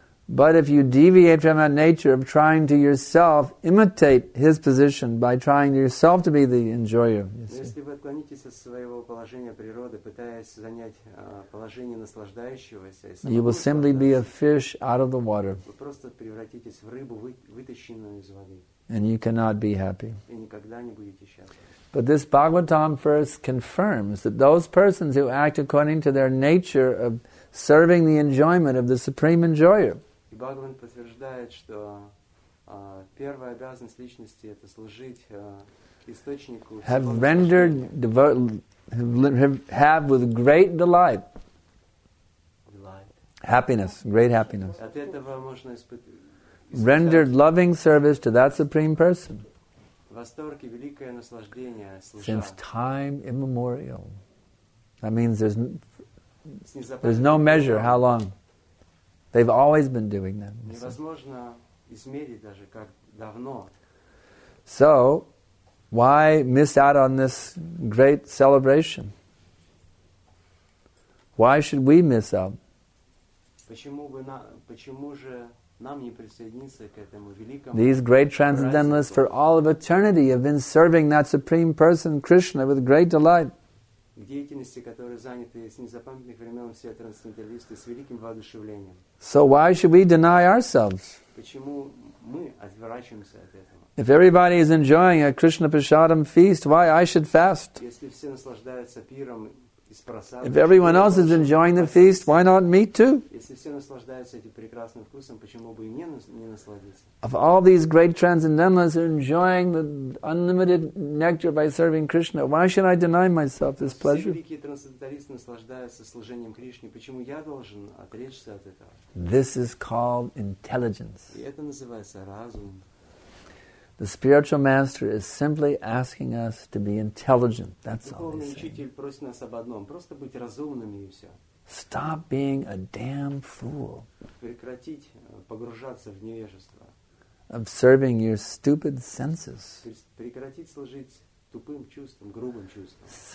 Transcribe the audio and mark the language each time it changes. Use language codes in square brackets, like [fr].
[en] But if you deviate from that nature of trying to yourself imitate his position by trying yourself to be the enjoyer, [ru] если вы отклонитесь от своего положения природы, пытаясь занять положение наслаждающегося, [en] you will simply be a fish out of the water. [ru] Вы просто превратитесь в рыбу, вытащенную из воды. [en] And you cannot be happy. [ru] И никогда не будете счастливы. [en] But this Bhagavatam verse confirms that those persons who act according to their nature of serving the enjoyment of the Supreme Enjoyer. [ru] И Бхагаван подтверждает, что первая обязанность личности это служить источнику. [en] Have rendered have with great delight. Happiness, great happiness. [ru] От этого можно испытывать. [en] Rendered loving service to that Supreme Person. [ru] Восторг и великое наслаждение служа. [en] Since time immemorial. That means there's no measure how long. They've always been doing that. [ru] Невозможно измерить даже как давно. [en] So, why miss out on this great celebration? Why should we miss out? [ru] Почему же нам не присоединиться к этому великому? [en] These great transcendentalists for all of eternity have been serving that Supreme Person Krishna with great delight. [ru] В деятельности, которые заняты с незапамятных времен все трансценденталисты с великим воодушевлением. [en] So why should we deny ourselves? [ru] Почему мы отворачиваемся от этого? [en] If everybody is enjoying a Krishna Prasadam feast, why I should fast? [ru] Если все наслаждаются пиром из прасада. [en] If everyone else is enjoying the feast, why not me too? [ru] Если все наслаждаются этим прекрасным вкусом, почему бы и мне не насладиться? [en] Of all these great transcendentalists who are enjoying the unlimited nectar by serving Krishna, why should I deny myself this pleasure? [ru] Все великие трансценденталисты наслаждаются служением Кришне. Почему я должен отречься от этого? [en] This is called intelligence. [ru] И это называется разум. [en] The spiritual master is simply asking us to be intelligent. That's all he's saying. [ru] Духовный учитель просит нас об одном. Просто быть разумными и все. [en] Stop being a damn fool. [ru] Прекратить погружаться в невежество. [en] Of serving your stupid senses. [ru] Прекратить служить тупым чувствам, грубым чувствам.